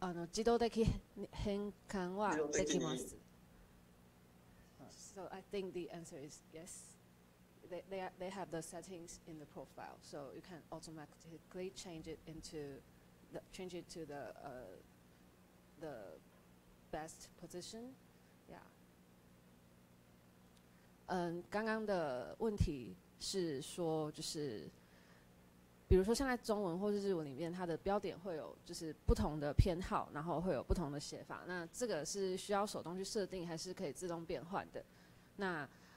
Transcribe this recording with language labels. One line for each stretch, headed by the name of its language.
Japanese: 自動的変換はできます。
English: So I think the answer is yes. They have the settings in the profile, so you can automatically change it to the the best position. Yeah.
Chinese: 刚刚的问题是说就是比如说像在中文或是日文里面它的标点会有就是不同的偏好然后会有不同的写法那这个是需要手动去设定还是可以自动变换的那